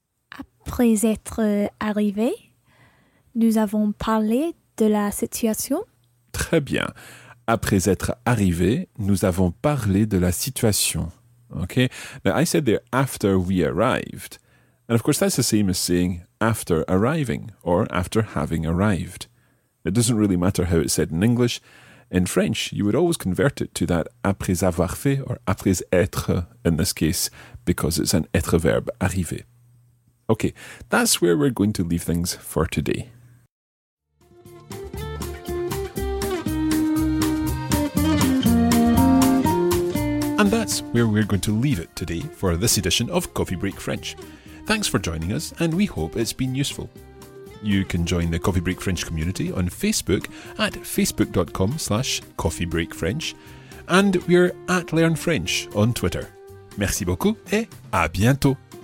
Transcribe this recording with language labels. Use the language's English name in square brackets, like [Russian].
[French] Après être arrivé, nous avons parlé de la situation. Très bien. Après être arrivé, nous avons parlé de la situation. [English] Okay. Now, I said there, after we arrived. And of course, that's the same as saying after arriving or after having arrived. It doesn't really matter how it's said in English. In French, you would always convert it to that [French] après avoir fait [English] or après être in this case, because it's an être verb, arriver. Okay, that's where we're going to leave things for today. And that's where we're going to leave it today for this edition of Coffee Break French. Thanks for joining us, and we hope it's been useful. You can join the Coffee Break French community on Facebook at facebook.com/coffeebreakfrench, and we're at Learn French on Twitter. [French] Merci beaucoup et à bientôt.